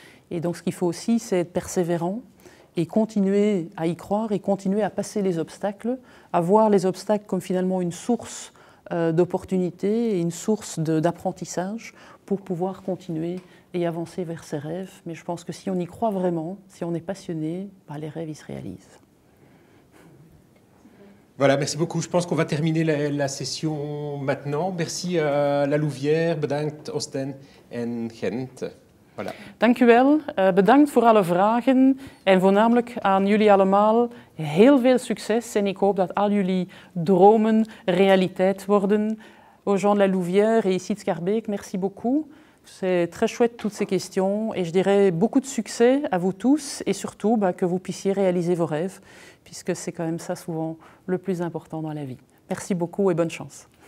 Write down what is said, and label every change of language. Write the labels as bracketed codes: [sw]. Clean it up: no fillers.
[fr] Et donc, ce qu'il faut aussi, c'est être persévérant et continuer à y croire et continuer à passer les obstacles, à voir les obstacles comme finalement une source d'opportunités et une source d'apprentissage pour pouvoir continuer et avancer vers ses rêves. Mais je pense que si on y croit vraiment, si on est passionné, bah, les rêves, ils se réalisent. Voilà, merci beaucoup. Je pense qu'on va terminer la session maintenant. Merci à La Louvière, [nl] bedankt Osten en Gent. [fr] Voilà. [nl] Dank u wel. Bedankt voor alle vragen en voornamelijk aan jullie allemaal. Heel veel succes en ik hoop dat al jullie dromen realiteit worden. [fr] Aux gens de La Louvière et ici de Scarbeek, merci beaucoup. C'est très chouette toutes ces questions et je dirais beaucoup de succès à vous tous et surtout bah, que vous puissiez réaliser vos rêves puisque c'est quand même ça souvent le plus important dans la vie. Merci beaucoup et bonne chance.